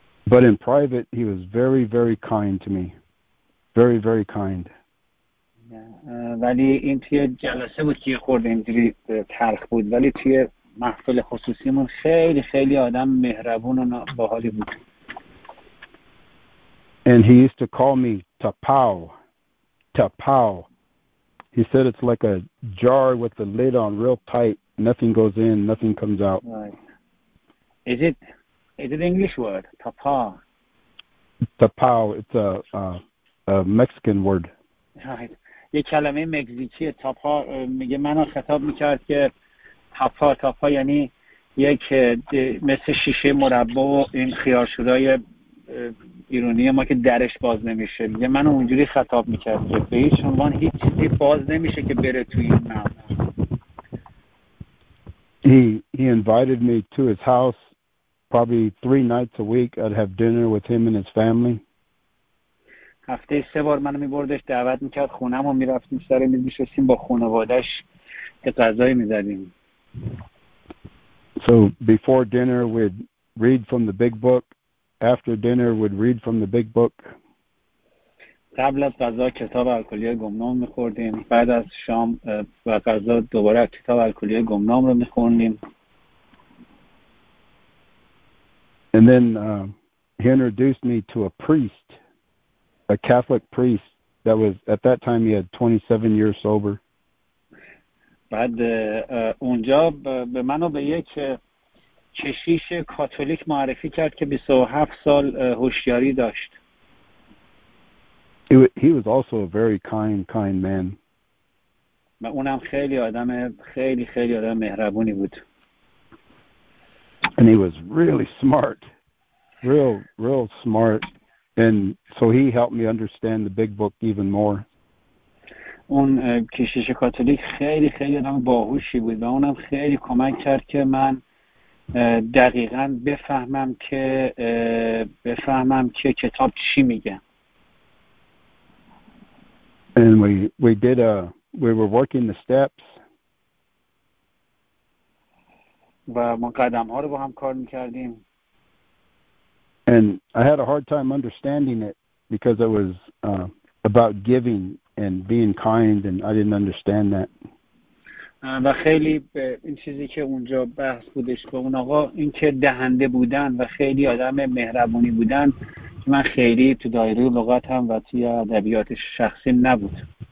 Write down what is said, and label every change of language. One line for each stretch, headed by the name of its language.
English: But in private he was very very kind to me. Very very kind.
Persian: ولی این توی جلسه بود که خورده اینجوری تلخ بود ولی توی محفل خصوصیمون خیلی خیلی آدم مهربون و باحالی بود.
English: And he used to call me Tapao, Tapao. He said it's like a jar with the lid on real tight. Nothing goes in, nothing comes out. Right. Is it an English word, Tapao? Tapao, it's a Mexican word. Right.
Persian: یه کلمه مکزیکیه Tapao میگه منو خطاب میکرد که Tapao, Tapao یعنی یک مثل شیشه مربع و این خیارشورای ایرونی ما که درش باز نمیشه میگه منو اونجوری خطاب میکرد که به هیچ عنوان هیچ چیزی باز نمیشه که بره توی این معنا.
English: He invited me to his house probably 3 nights a week. I'd have dinner with him and his family.
Persian: هفته سه بار منو میبردش دعوت میکرد خونم و میرفتیم سر میز میشستیم با خانواده‌اش که غذای میزدیم.
English: So before dinner we'd read from the big book. After dinner, would read from the big book.
Persian: قبل از غذا کتاب الکلی گمنام می‌خوردیم. بعد از شام و غذا دوباره کتاب الکلی گمنام رو می‌خوندیم.
English: And then he introduced me to a priest, a Catholic priest that was at that time he had 27 years sober.
Persian: بعد اونجا به منو به یک کشیش کاتولیک معرفی کرد که 27 سال هوشیاری داشت.
English: He was also a very kind man.
Persian: و اونم خیلی آدم خیلی خیلی آدم مهربونی بود.
English: And he was really smart. Real smart. And so he helped me understand the big book even more.
Persian: اون کشیش کاتولیک خیلی خیلی آدم باهوشی بود و اونم خیلی کمک کرد که من دقیقاً بفهمم که کتاب چی میگه.
English: And we were working the steps.
Persian: و ما قدم‌ها رو با هم کار می‌کردیم.
English: And I had a hard time understanding it because it was about giving and being kind, and I didn't understand that.
Persian: و خیلی این چیزی که اونجا بحث بودش به اون آقا این که دهنده بودن و خیلی آدم مهربونی بودن من خیلی تو دایره لغت هم و توی ادبیات شخصی نبود.